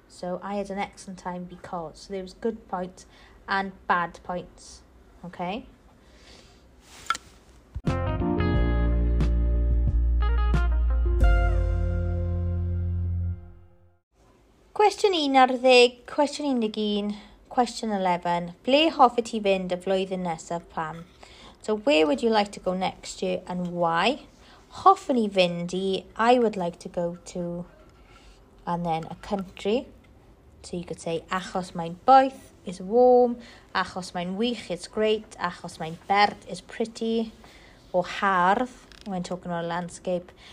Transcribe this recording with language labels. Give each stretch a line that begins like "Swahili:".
English: So I had an excellent time because. So there was good points and bad points, okay? Question 11, question 11, question 11.
Welsh: Ble hoffi ti fynd y flwyddyn nesaf, Pam?
English: So where would you like to go next year and why?
Welsh: Hoffi ni fynd I,
English: I would like to go to, and then a country. So you could say,
Welsh: achos mae'n boeth
English: is warm,
Welsh: achos mae'n wych
English: is great,
Welsh: achos mae'n berth
English: is pretty, or hardd, when talking about a landscape.